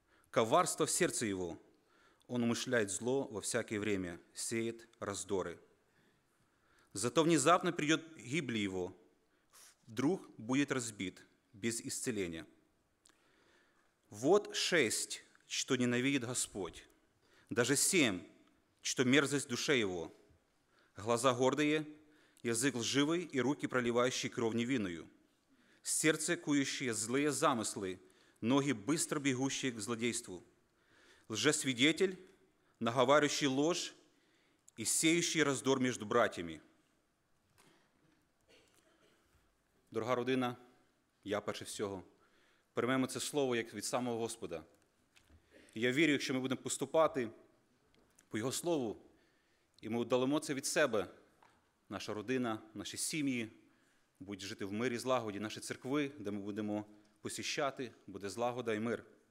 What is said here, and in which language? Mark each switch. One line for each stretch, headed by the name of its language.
Russian: Коварство в серці його, он умишляє зло во всяке время, сіє роздори. Зато внезапно
Ukrainian: прийде гибель його,
Russian: вдруг буде розбит, без ісцеління. Вот шесть, что ненавидит Господь, даже семь, что мерзость душе его. Глаза гордые, язык лживый и руки, проливающие кровь невинную. Сердце, кующее злые замыслы, ноги, быстро бегущие к злодейству. Лжесвидетель, наговаривающий ложь и сеющий раздор между братьями.
Ukrainian: Дорога родина, я перш за все, приймемо це слово, як від самого Господа. І я вірю, якщо ми будемо поступати по Його слову, і ми удалимо це від себе, наша родина, наші сім'ї, будуть жити в мирі, злагоді, наші церкви, де ми будемо посіщати, буде злагода і мир.